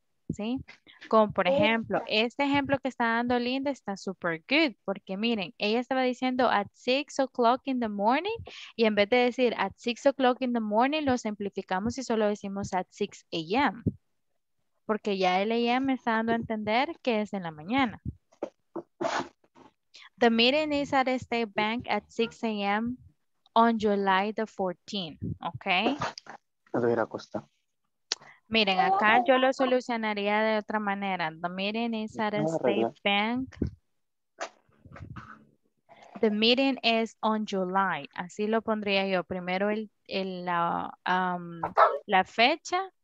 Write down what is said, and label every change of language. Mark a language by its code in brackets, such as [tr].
[es] ¿Sí? Como por ejemplo, este ejemplo que está dando Linda está [en] super good, [es] porque miren, ella estaba diciendo [en] at 6 o'clock in the morning, [es] y en vez de decir at 6 o'clock in the morning, lo simplificamos y solo decimos [en] at 6 a.m. [es] Porque ya el a.m. está dando a entender que es en la mañana. [en] The meeting is at State Bank at 6 a.m. on July the 14th, ¿ok? [es] Me voy a ir a acostar. Miren, acá yo lo solucionaría de otra manera. [en] The meeting is at a state bank. The meeting is on July. [es] Así lo pondría yo. Primero la fecha.